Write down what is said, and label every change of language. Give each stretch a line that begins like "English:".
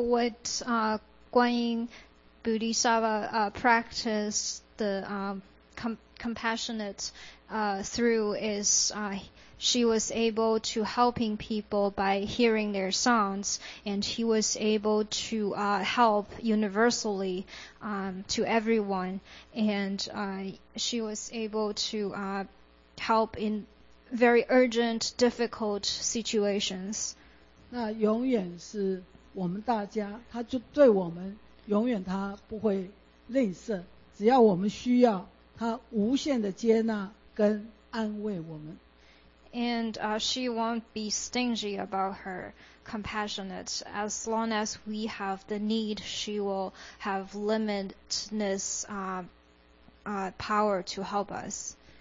English: what Guan Yin Bodhisattva practiced the compassionate through is she was able to helping people by hearing their sounds, and he was able to help universally to everyone, and she was able to help in very urgent, difficult situations.
Chinese: 那永远是我们大家，他就对我们永远他不会吝啬，只要我们需要。他无限的接纳跟安慰我们。
English: And she won't be stingy about her compassionate. As long as we have the need, she will have limitless power to help us.